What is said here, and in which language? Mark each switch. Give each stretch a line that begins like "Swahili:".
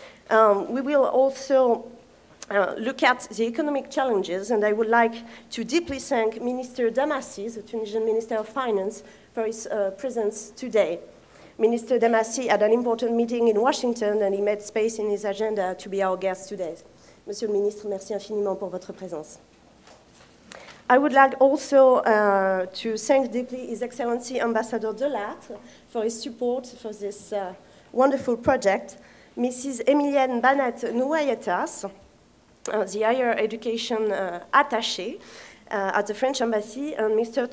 English: We will also look at the economic challenges, and I would like to deeply thank Minister Dimassi, the Tunisian Minister of Finance, for his presence today. Minister Dimassi had an important meeting in Washington, and he made space in his agenda to be our guest today.
French: Monsieur le Ministre, merci infiniment pour votre présence.
English: I would like also to thank deeply His Excellency Ambassador Delattre for his support for this wonderful project, Mrs. Emilienne Banet Nouayetas, the higher education attaché at the French Embassy, and Mr.